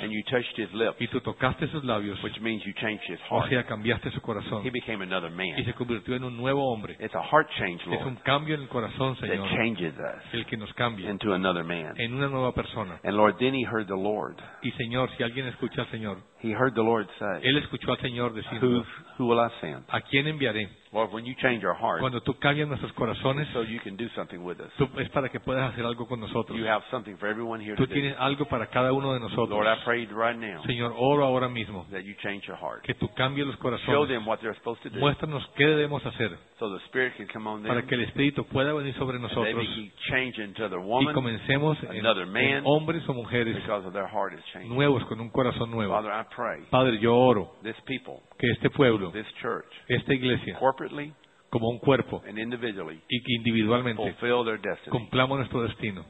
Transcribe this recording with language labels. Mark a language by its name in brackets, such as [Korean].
[English] And you touched his lips. [Spanish] Y tú tocaste sus labios. [English] Which means you changed his heart. [Spanish] O sea, cambiaste su corazón. [English] He became another man. [Spanish] Y se convirtió en un nuevo hombre. [English] It's a heart change, Lord. [Spanish] Es un cambio en el corazón, Señor. [English] That changes us. [Spanish] El que nos cambia. [English] Into another man. [Spanish] En una nueva persona. [English] And Lord, then he heard the Lord. [Spanish] Y Señor, si alguien escucha al Señor. [English] He heard the Lord say. [Spanish] Él escuchó al Señor decir. [English] Who will I send? [Spanish] ¿A quién enviaré? [English] Lord, when you change our hearts, [Spanish] cuando tú cambias nuestros corazones, [English] so you can do something with us. [Spanish] Tú, es para que puedas hacer algo con nosotros. [English] You have something for everyone here [Spanish] tú [English] today. [Spanish] Tienes algo para cada uno de nosotros. [English] Lord, I pray right now, [Spanish] Señor, oro ahora mismo [English] that you change your heart. [Spanish] Que tú cambies los corazones. [English] Show them what they're supposed to do. [Spanish] Muéstranos qué debemos hacer [English] so the Spirit can come on them, [Spanish] para que el Espíritu pueda venir sobre nosotros [English] and they be changed into another woman, [Spanish] y comencemos [English] another man, [Spanish] en hombres o mujeres [English] because of their heart is changing. [Spanish] Nuevos, con un corazón nuevo. [English] Father, I pray, [Spanish] Padre, yo oro [English] this people, [Spanish] que este pueblo, [English] this church, [Spanish] esta iglesia, [English] corporately, [Spanish] como un cuerpo, [English] and individually, [Spanish] y que individualmente [English] fulfill their destiny, [Spanish] cumplamos nuestro destino,